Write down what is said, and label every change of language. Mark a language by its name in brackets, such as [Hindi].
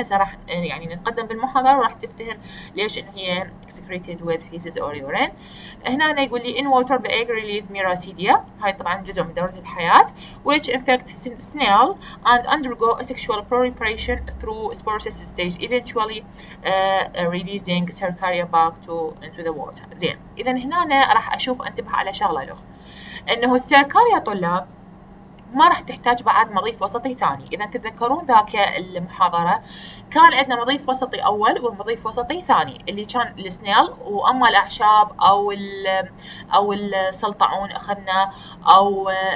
[Arabic] هسه راح يعني نتقدم بالمحاضرة وراح تفتهم ليش انه هي [English] excreted with feces or urine. [Arabic] هنا يقول لي [English] in water the egg release miracidia، [Arabic] هاي طبعا جزء من دورة الحياة، [English] which infects the snail and undergo a sexual proliferation through sporocyst stage eventually releasing sericaria back into the water. [Arabic] زين اذا هنا راح اشوف انتبه على شغلة له، انه السيركاريا طلاب ما راح تحتاج بعد مضيف وسطي ثاني، إذا تتذكرون ذاك المحاضرة كان عندنا مضيف وسطي أول ومضيف وسطي ثاني اللي كان السنيل، وأما الأعشاب أو السلطعون أخذنا، أو